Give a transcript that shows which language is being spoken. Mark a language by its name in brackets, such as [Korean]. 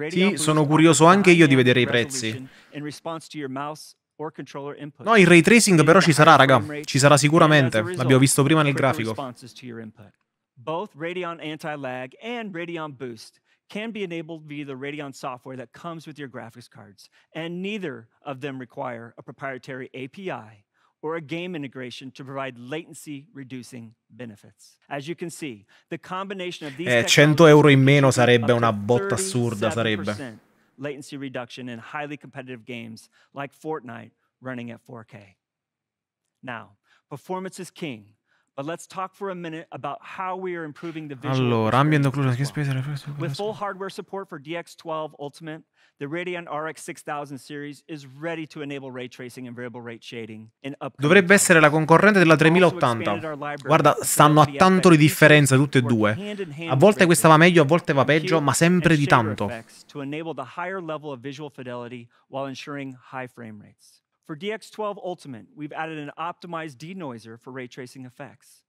[Italian] sì, sono curioso anche io di vedere i prezzi. [English] In response to your mouse or controller input. [Italian] No, il ray tracing però ci sarà, raga. Ci sarà sicuramente. L'abbiamo visto prima nel grafico. [English] Both Radeon Anti-Lag and Radeon Boost can be enabled via the Radeon software that comes with your graphics cards, and neither of them require a proprietary API or a game integration to provide latency reducing benefits. As you can see, the combination of these [Italian] 100 euro in meno sarebbe una botta assurda, sarebbe. [English] Latency reduction in highly competitive games like Fortnite running at 4K. Now, performance is king. But let's talk for a minute about how we are improving the visual. [Italian] Allora, ambient occlusion, che spesa. [English] With full hardware support for DX12 Ultimate, the Radeon RX 6000 series is ready to enable ray tracing and variable rate shading in upcoming. [Italian] Dovrebbe essere la concorrente della 3080. Guarda, stanno a tanto di differenza tutte e due. A volte questa va meglio, a volte va peggio, ma sempre di tanto. [English] To enable the higher level of visual fidelity while ensuring high frame rates. For DX12 Ultimate, we've added an optimized denoiser for ray tracing effects.